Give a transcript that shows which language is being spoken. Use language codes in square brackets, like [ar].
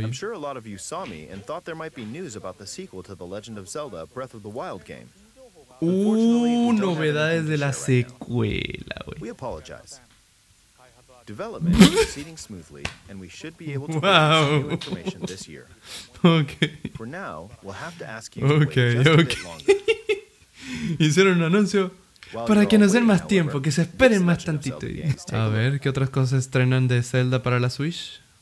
[en] I'm sure a lot of you saw me and thought there might be news about the sequel to The Legend of Zelda: Breath of the Wild game. [es] Novedades de la secuela, güey. [en] We apologize. Development is proceeding smoothly, and we should be able to provide new information this year. Okay. For now, we'll have to ask you to wait just a bit longer. [es] Hicieron un anuncio para que nos den más tiempo, que se esperen más tantito. A ver, ¿qué otras cosas estrenan de Zelda para la Switch?